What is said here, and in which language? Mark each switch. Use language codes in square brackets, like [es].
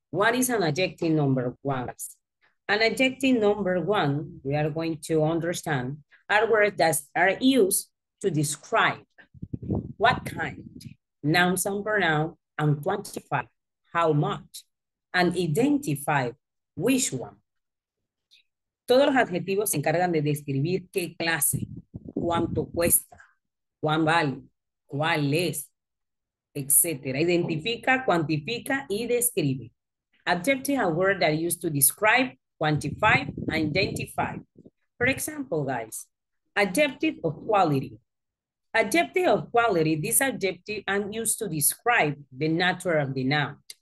[en] What is an adjective number one? An adjective number one, we are going to understand, are words that are used to describe what kind, nouns and pronouns, and quantify how much, and identify which one. [es] Todos los adjetivos se encargan de describir qué clase, cuánto cuesta, cuán vale, cuál es, etc. Identifica, cuantifica y describe. [en] Adjectives are words that are used to describe, quantify, and identify. For example, guys, adjective of quality. Adjective of quality, this adjective is used to describe the nature of the noun.